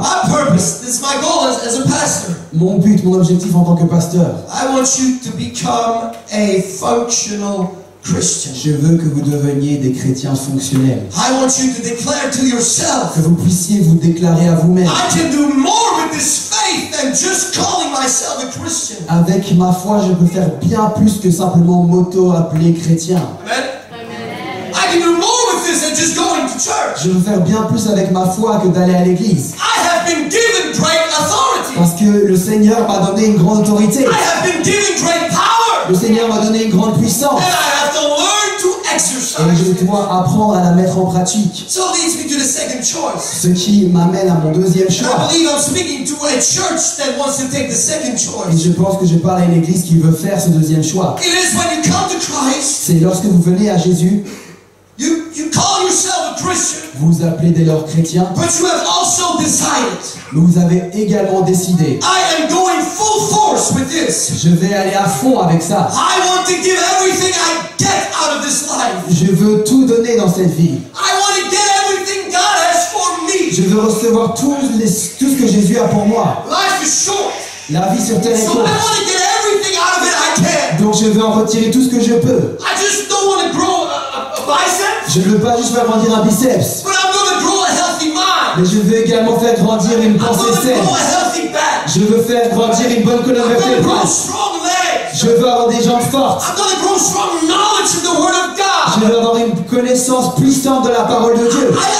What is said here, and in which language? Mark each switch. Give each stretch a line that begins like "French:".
English: My purpose, this is my goal as a pastor.
French: Mon but, mon objectif en tant que pasteur.
English: I want you to become a functional Christian.
French: Je veux que vous deveniez des chrétiens fonctionnels.
English: I want you to declare to yourself.
French: Que vous puissiez vous déclarer à vous-même.
English: I can do more with this faith than just calling myself a Christian.
French: Avec ma foi, je peux faire bien plus que simplement m'auto-appeler chrétien.
English: Amen. Amen. I can do more with this than just going.
French: Je veux faire bien plus avec ma foi que d'aller à l'église.
English: I have been given great authority.
French: Parce que le Seigneur m'a donné une grande autorité.
English: I have been given great power.
French: Le Seigneur m'a donné une grande puissance.
English: And I have to learn to exercise.
French: Et je dois apprendre à la mettre en pratique.
English: So leads me to the second choice.
French: Ce qui m'amène à mon deuxième choix.
English: I believe I'm speaking to a church that wants to take the second choice.
French: Et je pense que je parle à une église qui veut faire ce deuxième choix.
English: It is when you come to Christ.
French: C'est lorsque vous venez à Jésus.
English: You call yourself a Christian.
French: Vous vous appelez dès lors chrétien.
English: But you have also decided.
French: Mais vous avez également décidé.
English: I am going full force with this.
French: Je vais aller à fond avec ça.
English: I want to give everything I get out of this life.
French: Je veux tout donner dans cette vie.
English: I want to get everything God has for me.
French: Je veux recevoir tout ce que Jésus a pour moi.
English: Life is short.
French: La vie sur terre est courte.
English: So I want to get everything out of it I can.
French: Donc je veux en retirer tout ce que je peux.
English: I just don't want to grow a bicep.
French: Je ne veux pas juste faire grandir un biceps.
English: But I'm gonna grow a healthy mind.
French: Mais je veux également faire grandir une pensée saine. Je veux faire grandir une bonne colonne vertébrale.
English: Strong legs.
French: Je veux avoir des jambes fortes.
English: I'm gonna grow strong knowledge of the word of God.
French: Je veux avoir une connaissance puissante de la parole de Dieu.